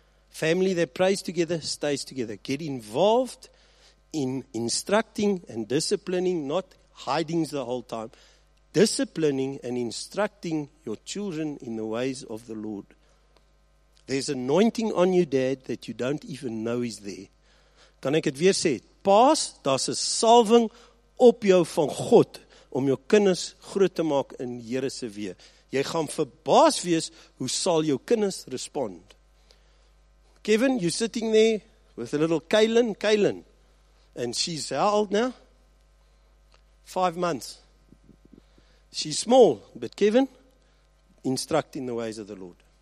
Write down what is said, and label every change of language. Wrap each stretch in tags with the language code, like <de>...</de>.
<en>Family that prays together stays together. Get involved in instructing and disciplining, not hiding the whole time. Disciplining and instructing your children in the ways of the Lord. There's anointing on you, Dad, that you don't even know is there.</en> <af>Kan ek het weer sê, Paas, daar's 'n salving op jou van God om jou kinders groot te maak in Here se weë. Jy gaan verbaas wees hoe sal jou kinders respond.</af> <en>Kevin, you're sitting there with a little Kaylin, and she's how old now? 5 months. She's small, but Kevin, instruct in the ways of the Lord.</en>